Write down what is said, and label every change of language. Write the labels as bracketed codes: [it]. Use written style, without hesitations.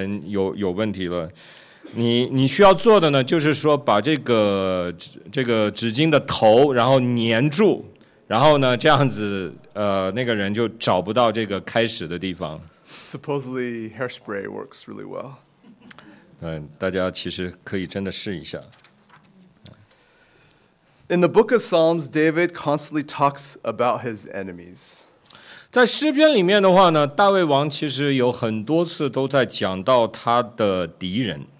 [zh] 那这个对于偏执的人有问题了。你需要做的呢，就是说把这个纸巾的头，然后粘住，然后呢，这样子，那个人就找不到这个开始的地方。 [en] Supposedly hairspray works really well. [zh] 大家其实可以真的试一下。 [en] In the book of Psalms, David constantly talks about his enemies. [zh] 在诗篇里面的话呢，大卫王其实有很多次都在讲到他的敌人。